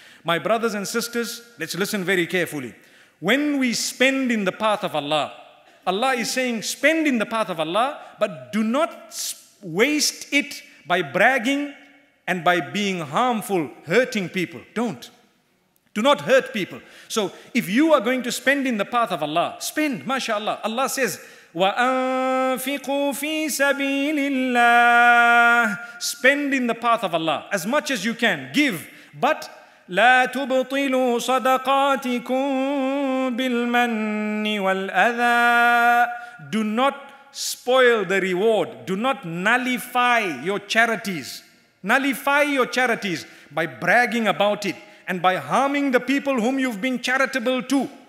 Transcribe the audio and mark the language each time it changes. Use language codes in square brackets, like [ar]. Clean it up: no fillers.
[en] My brothers and sisters, let's listen very carefully. When we spend in the path of Allah, Allah is saying, spend in the path of Allah, but do not waste it by bragging and by being harmful, hurting people. Don't. Do not hurt people. So if you are going to spend in the path of Allah, spend, mashallah. Allah says, [ar] وَأَنفِقُوا فِي سَبِيلِ اللَّهِ. [en] Spend in the path of Allah as much as you can. Give. But [ar] لَا تُبْطِلُوا صَدَقَاتِكُمْ بِالْمَنِّ وَالْأَذَى. [en] Do not spoil the reward. Do not nullify your charities. Nullify your charities by bragging about it and by harming the people whom you've been charitable to.